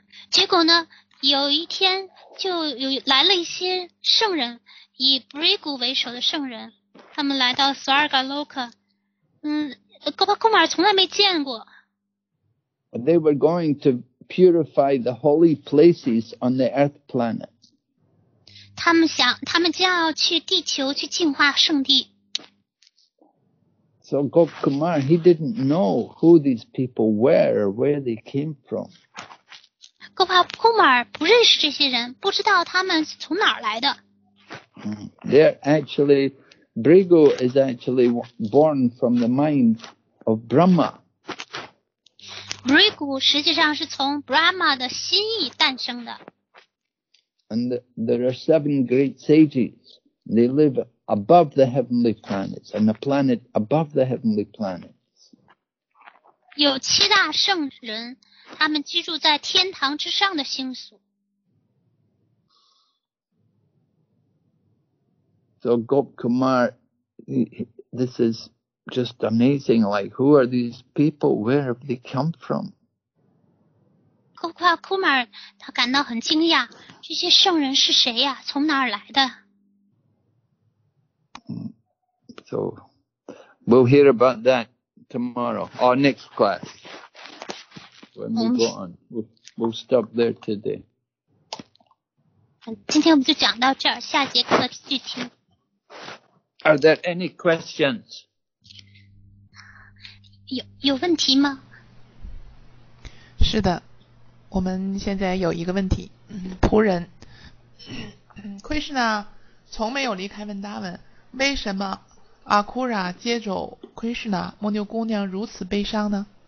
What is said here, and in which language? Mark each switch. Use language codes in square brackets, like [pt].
[zh] 结果呢，有一天就有来了一些圣人，以 Bhrigu 为首的圣人，他们来到 Swargaloka. 嗯 ，Gopal Kumar 从来没见过。 [en] They were going to purify the holy places on the Earth planet. [zh] 他们将要去地球去净化圣地。 [en] So Gop Kumar, he didn't know who these people were or where they came from. [zh] Gopal Kumar 不认识这些人，不知道他们从哪儿来的。 [en] They're actually, Bhrigu is actually born from the mind of Brahma. [zh] Bhrigu 实际上是从 Brahma 的心意诞生的。 [en] And there are seven great sages. They live above the heavenly planets, and the planet above the heavenly planets. [zh] 有七大圣人，他们居住在天堂之上的星宿。 [en] So Gop Kumar, this is just amazing. Like, who are these people? Where have they come from? [zh] Gopal Kumar, 他感到很惊讶，这些圣人是谁呀？从哪儿来的？ [en] So, we'll hear about that tomorrow, or next class. When we go on, we'll stop there today. [zh] 今天我们就讲到这儿，下节课继续。 [en] Are there any questions? [zh] 有问题吗？是的。我们现在有一个问题，仆人奎士纳从没有离开文达文，为什么阿库拉接走奎士纳，牧牛姑娘如此悲伤呢？